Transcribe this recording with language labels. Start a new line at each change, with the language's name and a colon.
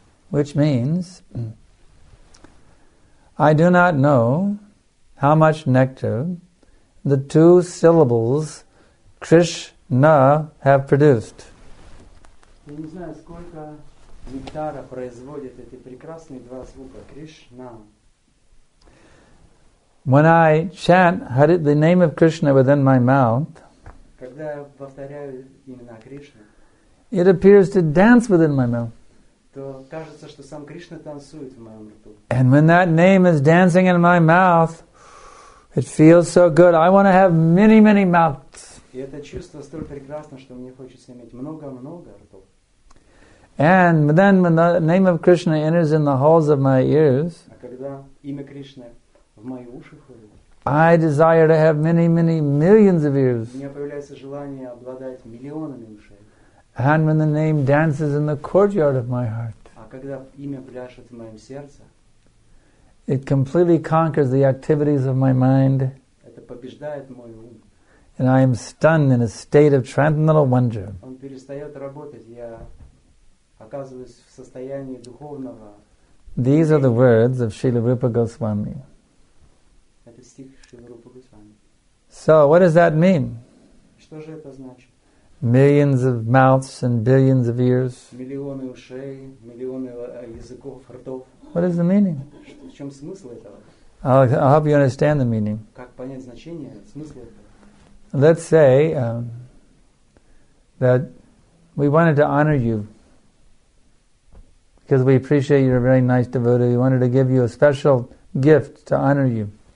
English: Which means, I do not know how much nectar the two syllables Krishna have produced.
Russian: Я не знаю, сколько нектара производят эти прекрасные два звука Кришна.
English: When I chant the name of Krishna within my mouth,
Russian: когда я повторяю имена Кришны,
English: it appears to dance within my mouth.
Russian: То кажется, что сам Кришна танцует в моем рту.
English: And when that name is dancing in my mouth, it feels so good. I want to have many, many mouths.
Russian: И это чувство столь прекрасно, что мне хочется иметь много-много ртов.
English: And then when the name of Krishna enters in the holes of my ears,
Russian: а когда имя Кришны в мои уши входит,
English: I desire to have many, many millions of ears.
Russian: У меня появляется желание обладать миллионами ушей.
English: And when the name dances in the courtyard of my heart,
Russian: а когда имя пляшет в моем сердце,
English: it completely conquers the activities of my mind.
Russian: Это побеждает мой ум.
English: And I am stunned in a state of transcendental wonder.
Russian: Он перестает работать, я оказываюсь в состоянии духовного.
English: These are the words of Śrīla Rūpa Gosvāmī.
Russian: Это стих Śrīla Rūpa Gosvāmī.
English: So, what does that mean?
Russian: Что же это значит?
English: Millions of mouths and billions of ears.
Russian: Миллионы ушей, миллионы языков, ртов.
English: What is the meaning?
Russian: В чем смысл этого?
English: I hope you understand the meaning.
Russian: Как понять значение, смысл этого?
English: Let's say that we wanted to honor you because we appreciate you're a very nice devotee. We wanted to give you a special gift to honor you.